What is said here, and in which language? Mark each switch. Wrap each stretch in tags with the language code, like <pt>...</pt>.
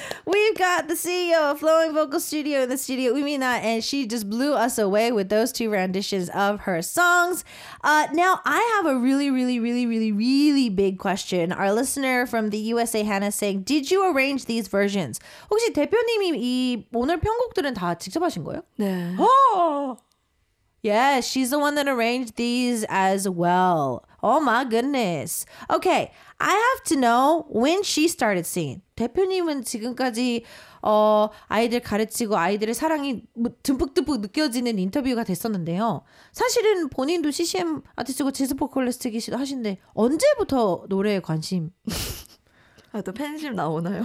<en>We've got the CEO of Flowing Vocal Studio in the studio, Umina, and she just blew us away with those two renditions of her songs. Now, I have a really, really, really, really, really big question. Our listener from the USA, Hannah, saying, did you arrange these versions?</en> <ko>혹시 대표님이 이 오늘 편곡들은 다 직접 하신 거예요? 네. Oh!</ko> <en>Yes, she's the one that arranged these as well. Oh my goodness. Okay, I have to know when she started singing.</en> <ko>대표님은 지금까지 아이들 가르치고 아이들의 사랑이 듬뿍듬뿍 느껴지는 인터뷰가 됐었는데요. 사실은 본인도 CCM 아티스트고 재즈 보컬리스트이기도 하신데 언제부터 노래에 관심? 아, 또 팬심 나오나요?</ko>